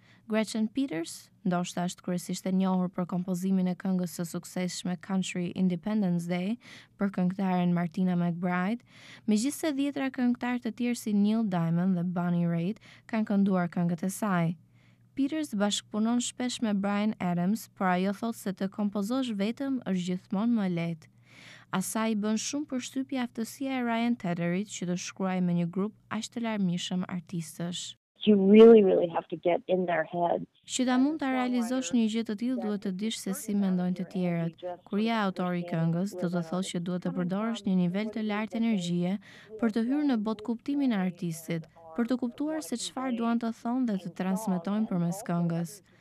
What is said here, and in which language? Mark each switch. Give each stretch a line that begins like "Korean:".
Albanian: Gretchen Peters, ndoshta është kryesisht e njohur për kompozimin e këngës së suksesshme Country Independence Day për këngëtaren Martina McBride, megjithëse dhjetra këngëtar të tjerë si Neil Diamond dhe Bonnie Raitt kanë kënduar këngët e saj. Peters bashkëpunon shpesh me Bryan Adams, por ajo thot se të kompozosh vetëm është gjithmonë më lehtë. Asaj bën shumë përshtypje aftësia e Ryan Tedderit që të shkruajë me një grup aq të larmishëm artistësh.
English: You really have to get in their head.
Albanian: Që ta mund ta realizosh një gjë të tillë duhet të dish se si mendojnë të tjerët. Kur je autori i këngës, do të thosh që duhet të përdorësh një nivel të lartë energjie për të hyrë në botëkuptimin e artistit, për të kuptuar se çfarë duan të thonë dhe të transmetojnë përmes këngës.